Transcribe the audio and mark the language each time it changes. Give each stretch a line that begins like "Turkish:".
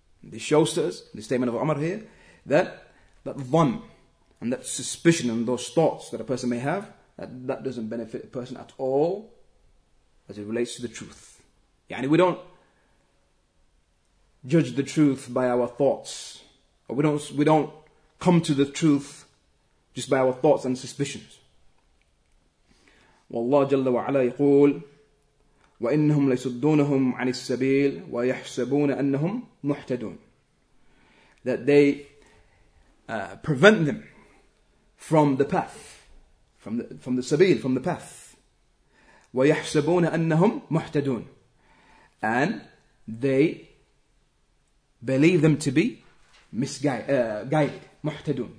English: This shows to us, the statement of Umar here, that dhan, and that suspicion and those thoughts that a person may have, that doesn't benefit a person at all as it relates to the truth. Yani we don't judge the truth by our thoughts. Or we don't come to the truth just by our thoughts and suspicions.
Arabic: والله جل وعلا يقول وإنهم ليصدونهم عن السبيل ويحسبون أنهم محتدون.
English: That they prevent them from the path, from the sabil, from the path.
Arabic: ويحسبون أنهم محتدون.
English: And they believe them to be misguided, محتدون.